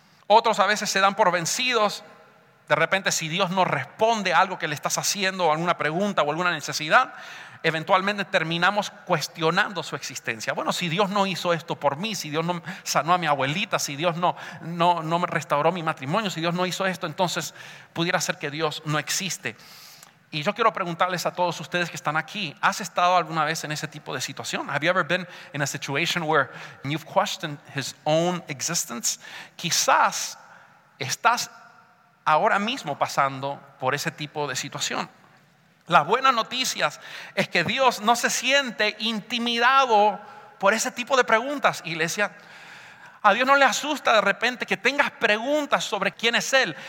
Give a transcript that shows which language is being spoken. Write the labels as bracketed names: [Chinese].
[Spanish] Otros a veces se dan por vencidos. De repente, si Dios no responde a algo que le estás haciendo, alguna pregunta o alguna necesidad, eventualmente terminamos cuestionando su existencia. Bueno, si Dios no hizo esto por mí, si Dios no sanó a mi abuelita, si Dios no me restauró mi matrimonio, si Dios no hizo esto, entonces pudiera ser que Dios no existe. Y yo quiero preguntarles a todos ustedes que están aquí, ¿has estado alguna vez en ese tipo de situación? [English] Have you ever been in a situation where you've questioned his own existence? [Spanish] Quizás estás ahora mismo pasando por ese tipo de situación. Las buenas noticias es que Dios no se siente intimidado por ese tipo de preguntas, iglesia. A Dios no le asusta de repente que tengas preguntas sobre quién es Él.